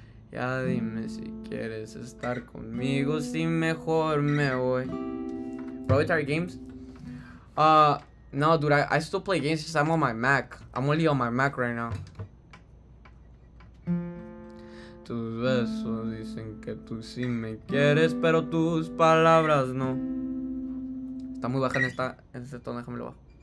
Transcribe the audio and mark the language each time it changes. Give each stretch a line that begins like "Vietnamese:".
Spanish: Ya dime si quieres estar conmigo, si mejor me voy.
English: Probably games. No, dude, I still play games because I'm on my Mac. I'm only on my Mac right now.
Spanish: Tus besos dicen que tú sí me quieres, pero tus palabras no. Está muy baja en este tono, déjamelo bajo.